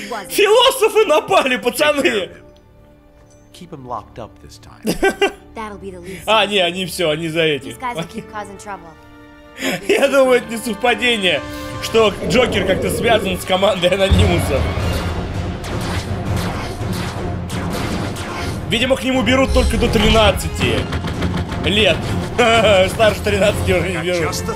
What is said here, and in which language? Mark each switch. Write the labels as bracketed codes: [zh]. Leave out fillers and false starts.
[ru] Философы напали, пацаны. [en] Keep him locked up this time. That'll be the least. [ru] А, не, они все, они за эти. [en] These guys will keep causing trouble. [ru] Я думаю, это не совпадение, что Джокер как-то связан с командой анонимусов. Видимо, к нему берут только до 13. Лет. Старше 13 уже не беру.